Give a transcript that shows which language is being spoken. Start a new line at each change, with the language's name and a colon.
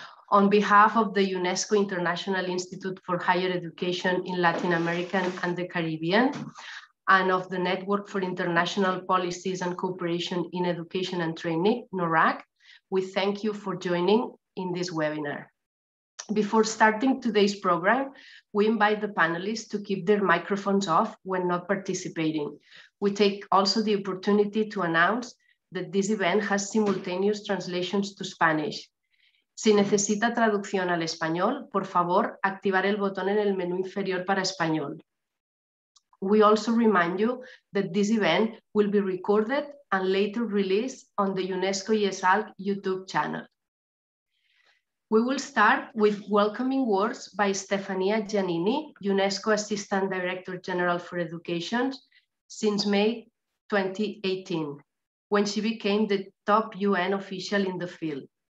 English: On behalf of the UNESCO International Institute for Higher Education in Latin America and the Caribbean, and of the Network for International Policies and Cooperation in Education and Training, NORRAG, we thank you for joining in this webinar. Before starting today's program, we invite the panelists to keep their microphones off when not participating. We take also the opportunity to announce that this event has simultaneous translations to Spanish.
Spanish: Si necesita traducción al español, por favor, activar el botón en el menú inferior para español.
English: We also remind you that this event will be recorded and later released on the UNESCO IESALC YouTube channel. We will start with welcoming words by Stefania Giannini, UNESCO Assistant Director General for Education, since May 2018, when she became the top UN official in the field.